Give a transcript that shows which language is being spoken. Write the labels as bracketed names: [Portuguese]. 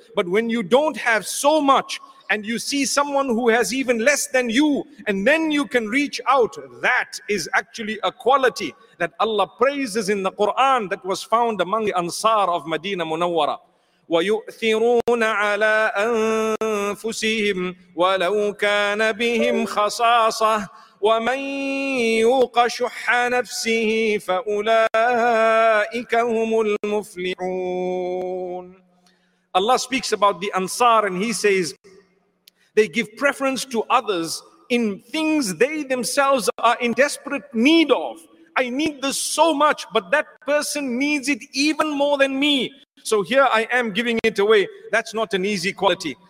[English] But when you don't have so much, and you see someone who has even less than you, and then you can reach out, that is actually a quality that Allah praises in the Quran that was found among the Ansar of Medina Munawwara. [Arabic] وَيُؤْثِرُونَ عَلَىٰ أنفسهم ولو كان بهم خصاصة ومن يوق شح نفسه فأولئك هم المفلحون. [English] Allah speaks about the Ansar and he says, they give preference to others in things they themselves are in desperate need of. I need this so much, but that person needs it even more than me. So here I am giving it away. That's not an easy quality.